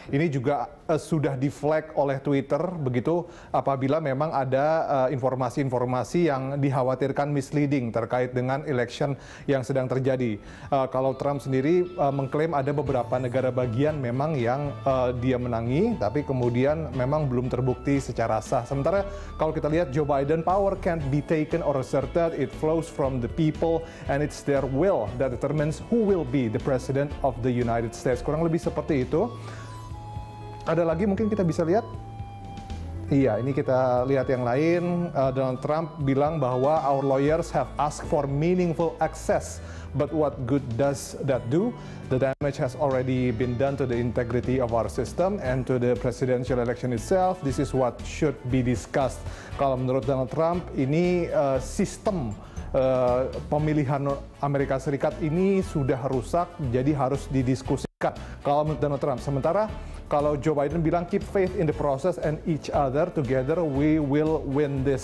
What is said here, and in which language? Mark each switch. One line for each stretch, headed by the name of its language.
Indonesian: Ini juga sudah di-flag oleh Twitter, begitu, apabila memang ada informasi-informasi yang dikhawatirkan misleading terkait dengan election yang sedang terjadi. Kalau Trump sendiri mengklaim ada beberapa negara bagian memang yang dia menangi, tapi kemudian memang belum terbukti secara sah. Sementara kalau kita lihat
English: Joe Biden, power can't be taken or asserted, it flows from the people and it's their will that determines who will be the president of the United States.
Indonesian: Kurang lebih seperti itu. Ada lagi mungkin kita bisa lihat? Iya, ini kita lihat yang lain.
English: Donald Trump
Indonesian: bilang bahwa
English: our lawyers have asked for meaningful access, but what good does that do? The damage has already been done to the integrity of our system and to the presidential election itself. This is what should be discussed.
Indonesian: Kalau menurut Donald Trump, ini sistem pemilihan Amerika Serikat ini sudah rusak, jadi harus didiskusikan. Kalau menurut Donald Trump, sementara kalau Joe Biden bilang
English: keep faith in the process and each other, together we will win this.